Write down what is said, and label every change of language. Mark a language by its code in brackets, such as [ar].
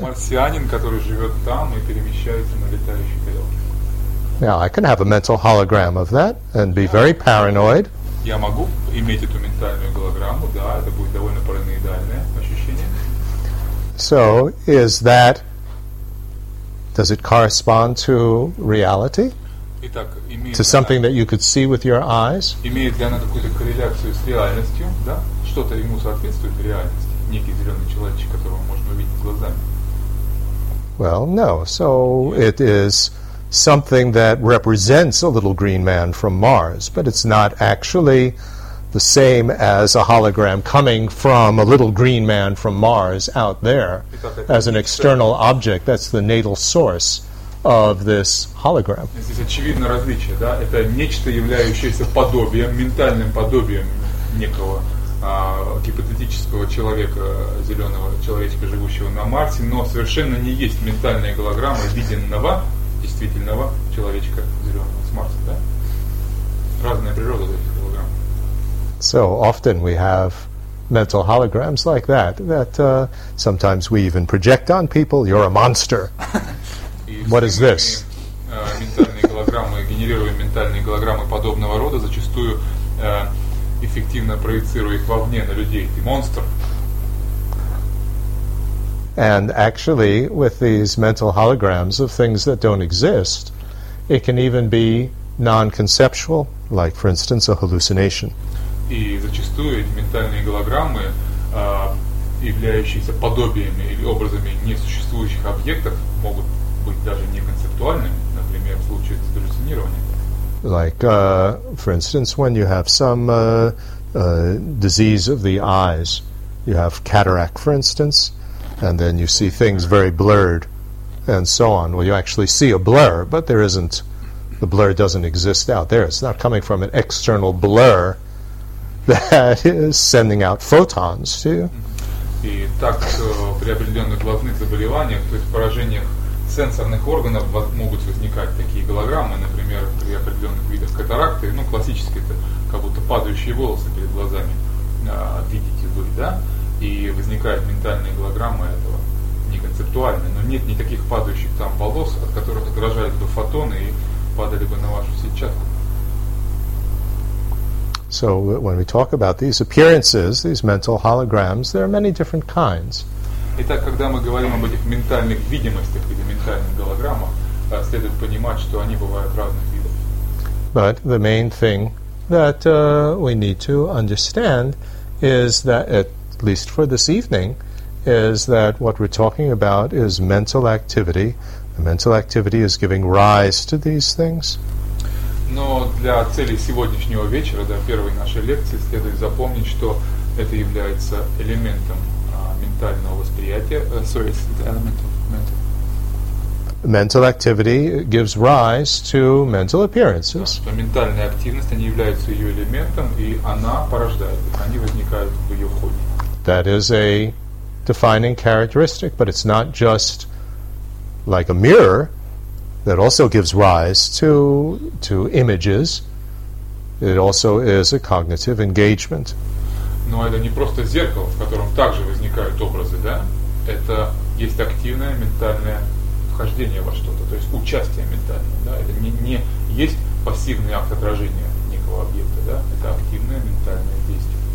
[en] Now, I can have a mental hologram of that and be very paranoid. [ru] Я могу иметь эту ментальную голограмму, да, это будет довольно параноидальное ощущение. [en] So, is that, does it correspond to reality? [ru] Итак, имеет [en] to something that you could see with your eyes? [ru] Имеет ли она какую-то корреляцию с реальностью, да? Что-то ему соответствует в реальности? Некий зеленый человечек, которого можно увидеть глазами? [en] Well, no. So, it is something that represents a little green man from Mars, but it's not actually the same as a hologram coming from a little green man from Mars out there as an external object. That's the natal source of this hologram. [ru] Здесь очевидно различие, да? Это нечто, являющееся подобием, ментальным подобием некого гипотетического человека, зеленого человечка, живущего на Марсе, но совершенно не есть ментальная голограмма виденного действительного человечка зеленого с Марса, да? Разная природа этих голограмм. [en] So often we have mental holograms like that, that sometimes we even project on people. You're a monster. What is this? [ru] Ментальные голограммы, генерируем ментальные голограммы подобного рода, зачастую эффективно проецируя их вовне на людей. Ты монстр. [en] And actually, with these mental holograms of things that don't exist, it can even be non-conceptual, like, for instance, a hallucination. [ru] И зачастую эти ментальные голограммы, являющиеся подобиями или образами несуществующих объектов, могут быть даже неконцептуальными, например, в случае с галлюцинированием. [en] Like, for instance, when you have some disease of the eyes, you have cataract, for instance, and then you see things very blurred and so on. Well, you actually see a blur, but there isn't, the blur doesn't exist out there. It's not coming from an external blur that is sending out photons to you. [ru] И так, при определенных глазных заболеваниях, то есть поражениях сенсорных органов, могут возникать такие голограммы, например, при определенных видах катаракты, ну, классически это как будто падающие волосы перед глазами, видите вы, да? И возникает ментальная голограмма этого, неконцептуальная, но нет никаких падающих там волос, от которых отражались бы фотоны и падали бы на вашу сетчатку. [en] So when we talk about these appearances, these mental holograms, there are many different kinds. [ru] Итак, когда мы говорим об этих ментальных видимостях или ментальных голограммах, следует понимать, что они бывают разных видов. [en] But the main thing that we need to understand is that, at least for this evening, is that what we're talking about is mental activity. The mental activity is giving rise to these things. [ru] Но для целей сегодняшнего вечера, да, первой нашей лекции, следует запомнить, что это является элементом ментального восприятия. [en] Sorry, it's the element of mental. Mental activity gives rise to mental appearances. [ru] Да, ментальная активность, они являются ее элементом, и она порождает их, они возникают в ее ходе. [en] That is a defining characteristic, but it's not just like a mirror that also gives rise to images. It also is a cognitive engagement. [ru] Но это не просто зеркало, в котором также возникают образы, да? Это есть активное ментальное вхождение во что-то, то есть участие ментальное, да? Это не есть пассивный акт отражения некого объекта, да? Это активное ментальное действие.